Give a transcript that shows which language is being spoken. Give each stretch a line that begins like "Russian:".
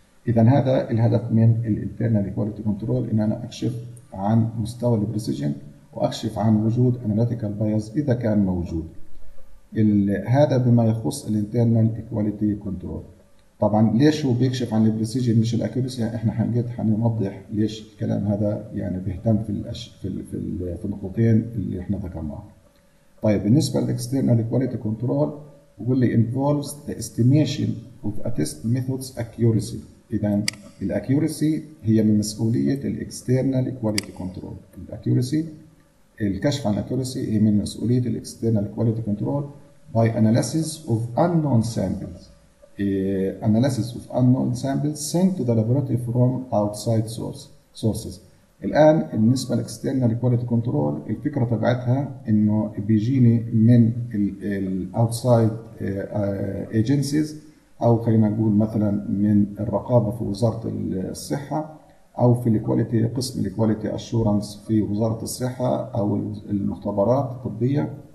Arabic: إذا هذا الهدف من الـ internal quality control، إن أنا أكشف عن مستوى الـ precision وأكشف عن وجود analytical bias إذا كان موجود. هذا بما يخص الـ internal quality control. طبعا ليش هو بيكشف عن البريسيجن مش الاكيوريسي؟ احنا حنجد حنوضح ليش الكلام هذا يعني بيهتم في الاش في ال... في ال... في النقطتين اللي احنا ذكرناها. طيب بالنسبه للاكسترنال كواليتي كنترول بيقول لي
English: involves the estimation of a test method's accuracy.
Arabic: اذا الاكيوريسي هي من مسؤوليه الاكسترنال كواليتي كنترول. الاكيوريسي الكشف عن الاكيوريسي هي من مسؤوليه الاكسترنال كواليتي كنترول
English: by analysis of unknown samples. Analysis of unknown samples sent to the laboratory from outside sources.
Arabic: الآن بالنسبة لـ External Quality Control الفكرة تبعتها إنه بيجيني من الـ outside agencies أو خلينا نقول مثلا من الرقابة في وزارة الصحة أو في الـ Quality قسم الـ Quality Assurance في وزارة الصحة أو المختبرات الطبية